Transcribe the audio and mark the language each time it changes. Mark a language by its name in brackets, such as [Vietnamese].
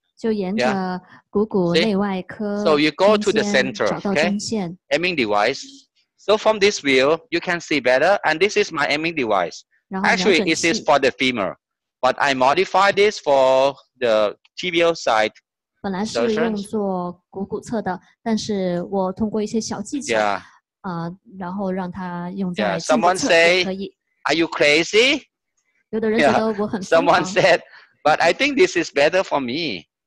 [Chinese] 就沿着股骨内外科. [English] So you go to the center, okay? Aiming device. So from this view, you can see better, and this is my aiming device. Actually, this is for the femur, but I modify this for the tibial side. [Chinese] 本来是用做股骨侧的，但是我通过一些小技巧，然后让它用在。 [English] Yeah. Someone say, "Are you crazy?" [Chinese] 有的人觉得我很疯狂。 [English] Someone said, "But I think this is better for me."